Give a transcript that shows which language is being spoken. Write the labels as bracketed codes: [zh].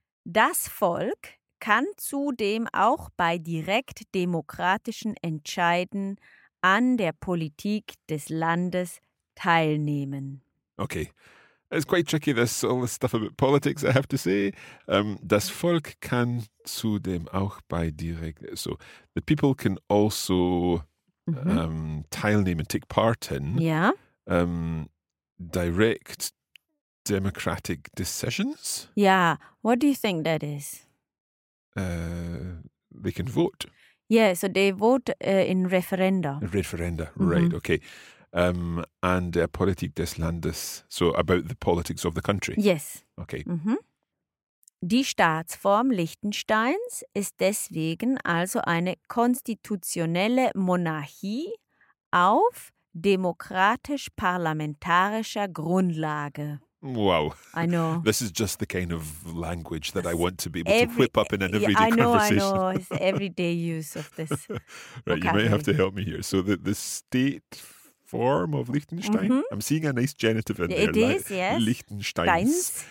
[de] Das Volk kann zudem auch bei direkt demokratischen Entscheiden an der Politik des Landes teilnehmen. [en] Okay. It's quite tricky, this all this stuff about politics, I have to say. [de] Das Volk kann zudem auch bei direkt... [en] So, the people can also mm-hmm. Teilnehmen, take part in direct democratic decisions. Yeah. What do you think that is? They can vote. Yeah, so they vote in referenda. Referenda, right, mm-hmm. okay. And Politik des Landes, so about the politics of the country. Yes. Okay. Mm-hmm. [de] Die Staatsform Liechtensteins ist deswegen also eine konstitutionelle Monarchie auf demokratisch-parlamentarischer Grundlage. [en] Wow. I know. This is just the kind of language that I want to be able to whip up in an everyday conversation. I know. It's everyday use of this. Right, you might have to help me here. So the state... form of Liechtenstein. Mm-hmm. I'm seeing a nice genitive in it It is, like, yes. Liechtensteins.